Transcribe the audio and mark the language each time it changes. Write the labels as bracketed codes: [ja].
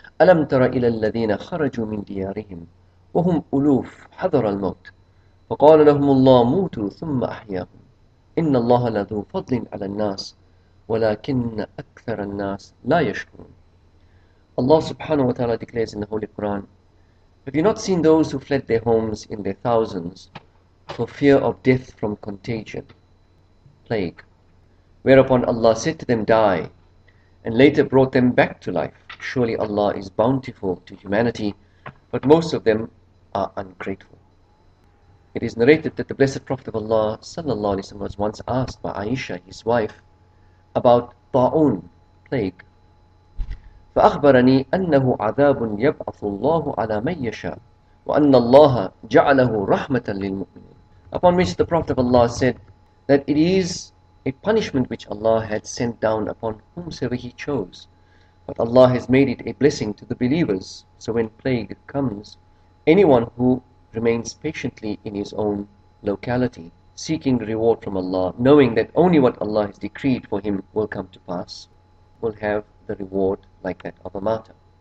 [ar] ألم تر إلى الذين خرجوا من ديارهم وهم ألوف حذر الموت فقال لهم الله موتوا ثم أحياهم إن الله لذو فضل على الناس ولكن أكثر الناس لا يشكرون. الله سبحانه وتعالى [en] declares in the Holy Quran, Have you not seen those who fled their homes in their thousands for fear of death from contagion, plague? Whereupon Allah said to them, Die, and later brought them back to life. Surely Allah is bountiful to humanity, but most of them are ungrateful. It is narrated that the Blessed Prophet of Allah sallallahu alaihi wasallam was once asked by Aisha, his wife, about Ta'un, plague. [ar] فأخبرني أنه عذاب يبعث الله على من يشاء وأن الله جعله رحمة للمؤمنين. [en] Upon which the Prophet of Allah said that it is a punishment which Allah had sent down upon whomsoever He chose, but Allah has made it a blessing to the believers. So when plague comes, anyone who remains patiently in his own locality, seeking reward from Allah, knowing that only what Allah has decreed for him will come to pass, will have the reward like that of a martyr.